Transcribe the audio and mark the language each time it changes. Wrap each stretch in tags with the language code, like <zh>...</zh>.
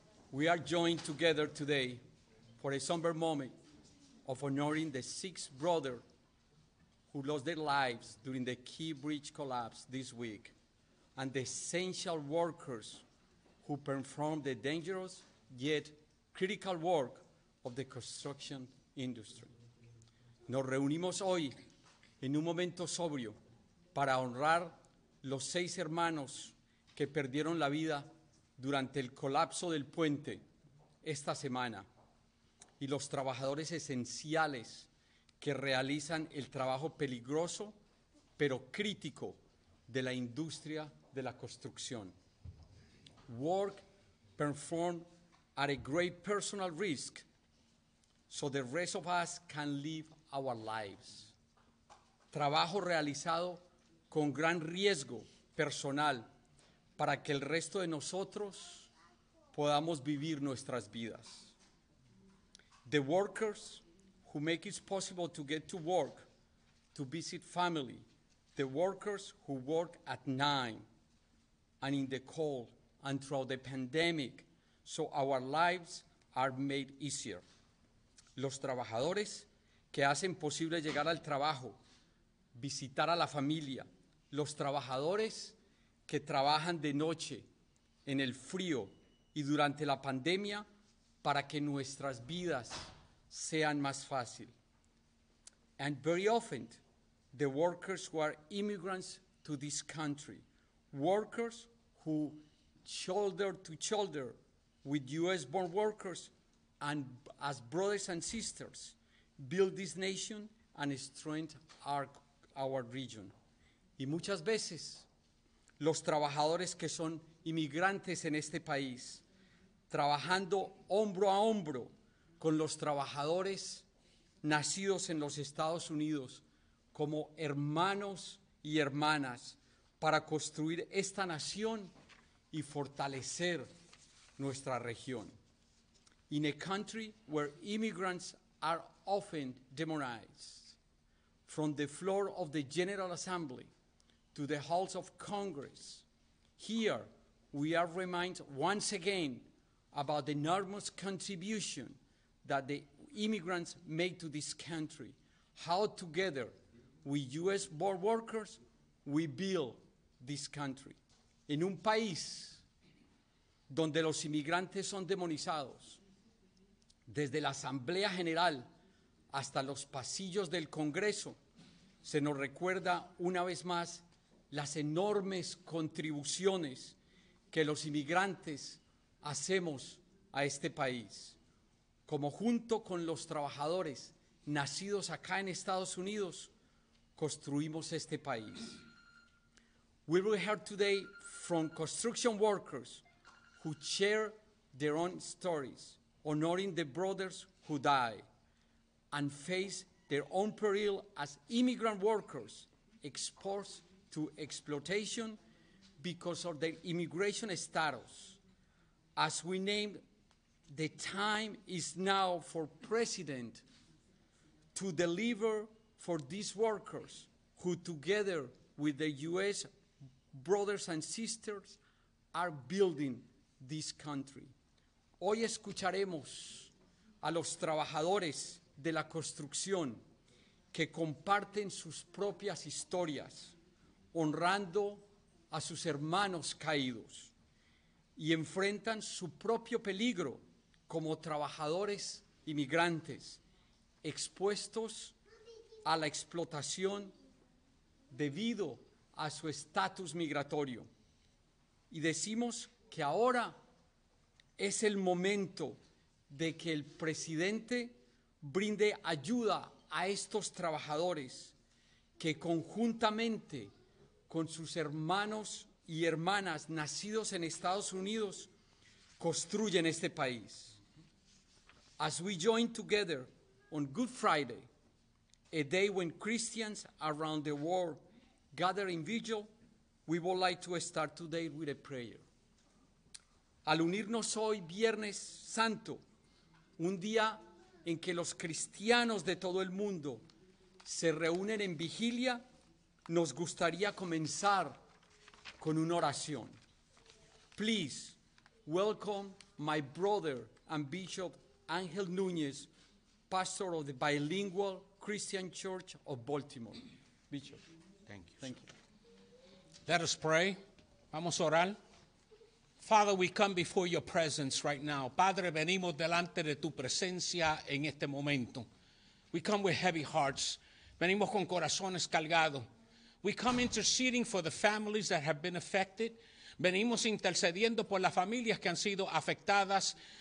<en>We are joined together today for a somber moment of honoring the six brothers who lost their lives during the key bridge collapse this week, and the essential workers who performed the dangerous yet critical work of the construction industry.</en> <es>Nos reunimos hoy en un momento sobrio para honrar los seis hermanos que perdieron la vida durante el colapso del puente esta semana y los trabajadores esenciales que realizan el trabajo peligroso pero crítico de la industria de la construcción.</es> <en>Work performed at a great personal risk so the rest of us can live our lives.</en> <es>Trabajo realizado con gran riesgo personal para que el resto de nosotros podamos vivir nuestras vidas.</es> <en>The workers who make it possible to get to work, to visit family, the workers who work at 9 and in the cold and throughout the pandemic, so our lives are made easier.</en> <es>Los trabajadores que hacen posible llegar al trabajo, visitar a la familia, los trabajadores que trabajan de noche, en el frío y durante la pandemia para que nuestras vidas sean más fácil.</es> <en>And very often, the workers who are immigrants to this country, workers who shoulder to shoulder with US-born workers and as brothers and sisters, build this nation and strengthen our region.</en> <es>Y muchas veces, los trabajadores que son inmigrantes en este país, trabajando hombro a hombro con los trabajadores nacidos en los Estados Unidos como hermanos y hermanas para construir esta nación y fortalecer nuestra región.</es> <en>In a country where immigrants are often demonized, from the floor of the General Assembly to the halls of Congress, here we are reminded once again about the enormous contribution that the immigrants made to this country, how together with US-born workers we build this country.</en> <es>En un país donde los inmigrantes son demonizados, desde la Asamblea General hasta los pasillos del Congreso, se nos recuerda una vez más las enormes contribuciones que los inmigrantes hacemos a este país, como junto con los trabajadores nacidos acá en Estados Unidos, construimos este país.</es> <en>We will hear today from construction workers who share their own stories, honoring the brothers who died and face their own peril as immigrant workers exposed to exploitation because of their immigration status. As we named, the time is now for President to deliver for these workers who together with the US brothers and sisters are building this country.</en> <es>Hoy escucharemos a los trabajadores de la construcción que comparten sus propias historias, honrando a sus hermanos caídos y enfrentan su propio peligro como trabajadores inmigrantes expuestos a la explotación debido a su estatus migratorio. Y decimos que ahora es el momento de que el presidente brinde ayuda a estos trabajadores que conjuntamente con sus hermanos y hermanas nacidos en Estados Unidos construyen este país.</es> <en>As we join together on Good Friday, a day when Christians around the world gather in vigil, we would like to start today with a prayer.</en> <es>Al unirnos hoy, Viernes Santo, un día en que los cristianos de todo el mundo se reúnen en vigilia, nos gustaría comenzar con una oración.</es> <en>Please welcome my brother and Bishop Angel Núñez, pastor of the bilingual Christian Church of Baltimore. Bishop. Thank you. Thank you. Let us pray.</en> <es>Vamos a orar.</es> <en>Father, we come before your presence right now.</en> <es>Padre, venimos delante de tu presencia en este momento.</es> <en>We come with heavy hearts.</en> <es>Venimos con corazones cargados.</es> <en>We come interceding for the families that have been affected.</en> <es>Venimos intercediendo por las familias que han sido afectadas.</es>